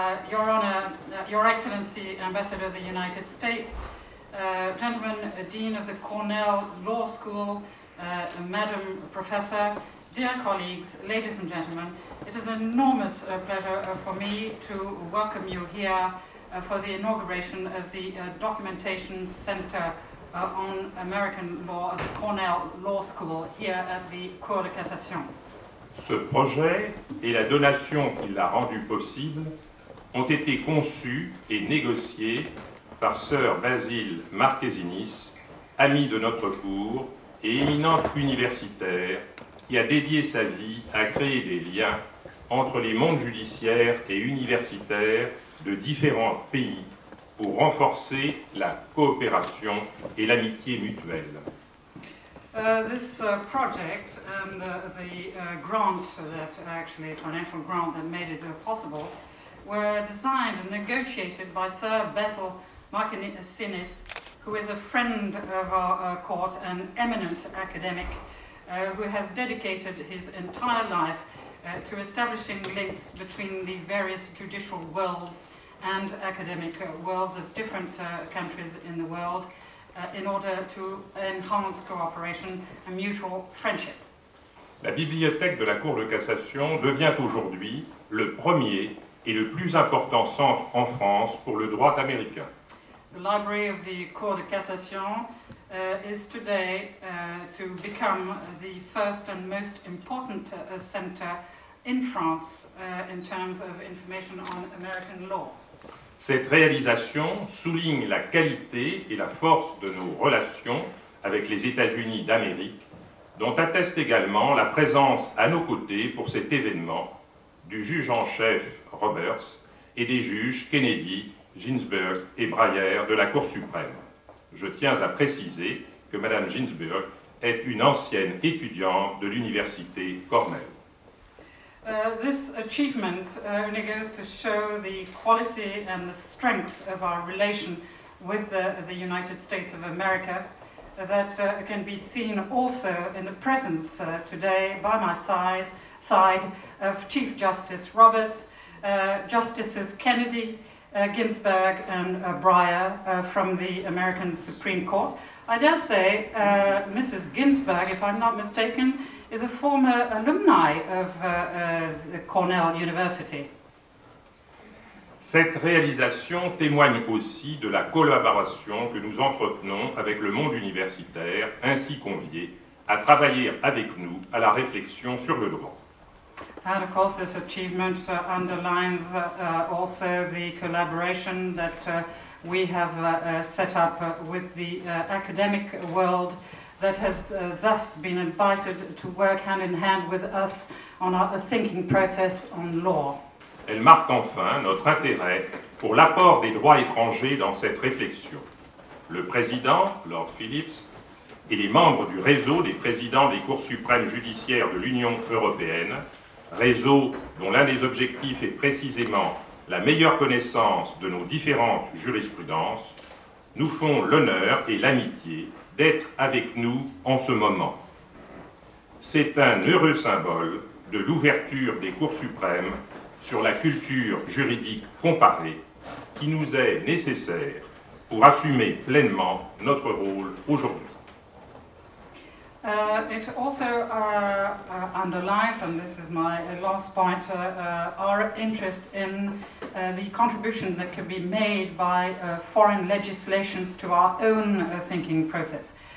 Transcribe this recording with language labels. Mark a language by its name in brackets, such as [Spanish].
[English] Your Honor, Your Excellency, Ambassador of the United States, gentlemen, Dean of the Cornell Law School, Madam Professor, dear colleagues, ladies and gentlemen, it is an enormous pleasure for me to welcome you here for the inauguration of the Documentation Center on American Law at the Cornell Law School here at the Cour de Cassation. [French] Ce projet et la donation qui l'a rendu possible ont été conçus et négociés par Sir Basil Marquesinis, ami de notre cour et éminent universitaire qui a dédié sa vie à créer des liens entre les mondes judiciaires et universitaires de différents pays pour renforcer la coopération et l'amitié mutuelle. [English] This project and the grant that actually financial grant that made it possible were designed and negotiated by Sir Basil Marquesinis, who is a friend of our court and eminent academic, who has dedicated his entire life to establishing links between the various judicial worlds and academic worlds of different countries in the world. In order to enhance cooperation and mutual friendship. [French] La bibliothèque de la Cour de cassation devient aujourd'hui le premier et le plus important centre en France pour le droit américain. [English] The library of the Cour de cassation is today to become the first and most important center in France in terms of information on American law. [French] Cette réalisation souligne la qualité et la force de nos relations avec les États-Unis d'Amérique, dont atteste également la présence à nos côtés pour cet événement du juge en chef Roberts et des juges Kennedy, Ginsburg et Breyer de la Cour suprême. Je tiens à préciser que Mme Ginsburg est une ancienne étudiante de l'Université Cornell. [English] This achievement only goes to show the quality and the strength of our relation with the United States of America that can be seen also in the presence today by my side of Chief Justice Roberts, Justices Kennedy, Ginsburg and Breyer from the American Supreme Court. I dare say Mrs. Ginsburg, if I'm not mistaken, is a former alumni of Cornell University. [French] Cette réalisation témoigne aussi de la collaboration que nous entretenons avec le monde universitaire ainsi convié à travailler avec nous à la réflexion sur le droit. [English] And of course this achievement underlines also the collaboration that we have set up with the academic world that has thus been invited to work hand in hand with us on our thinking process on law. [French] Elle marque enfin notre intérêt pour l'apport des droits étrangers dans cette réflexion. Le président, Lord Phillips, et les membres du réseau des présidents des cours suprêmes judiciaires de l'Union européenne, réseau dont l'un des objectifs est précisément la meilleure connaissance de nos différentes jurisprudences, nous font l'honneur et l'amitié d'être avec nous en ce moment. C'est un heureux symbole de l'ouverture des cours suprêmes sur la culture juridique comparée qui nous est nécessaire pour assumer pleinement notre rôle aujourd'hui. [English] It also underlines, and this is my last point, our interest in the contribution that can be made by foreign legislations to our own thinking process.